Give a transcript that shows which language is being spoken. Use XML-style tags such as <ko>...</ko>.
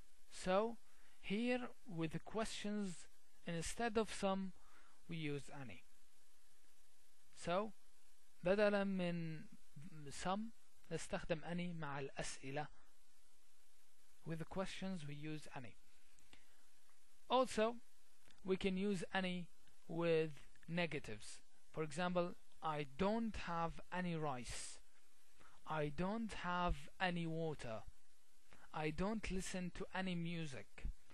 <en>So here with the questions instead of some, we use any.</en> <ar>So بدلا من some, نستخدم any مع الأسئلة.</ar> <en>With the questions we use any. Also we can use any with negatives. For example, I don't have any rice. I don't have any water. I don't listen to any music.</en>